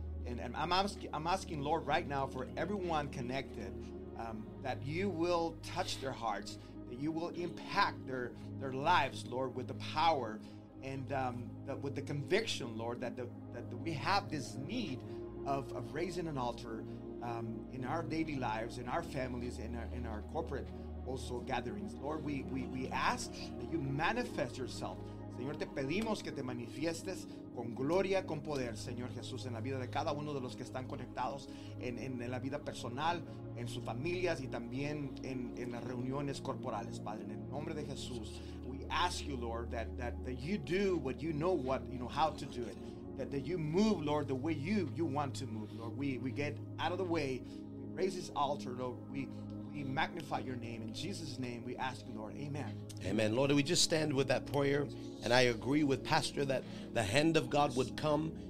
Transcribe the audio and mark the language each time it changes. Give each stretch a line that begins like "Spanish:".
English: And I'm asking, Lord, right now for everyone connected, that you will touch their hearts, that you will impact their lives, Lord, with the power and with the conviction, Lord, that we have this need of raising an altar in our daily lives, in our families, in our corporate also gatherings. Lord, we ask that you manifest yourself.
Spanish: Señor, te pedimos que te manifiestes con gloria, con poder, Señor Jesús, en la vida de cada uno de los que están conectados, en la vida personal, en sus familias, y también en las reuniones corporales, Padre. En el nombre de Jesús,
English: we ask you, Lord, that you do what you know how to do it. that you move, Lord, the way you want to move, Lord. We get out of the way. We raise this altar, Lord. We magnify your name. In Jesus' name, we ask you, Lord. Amen. Amen. Lord, we just stand with that prayer. And I agree with Pastor that the hand of God would come.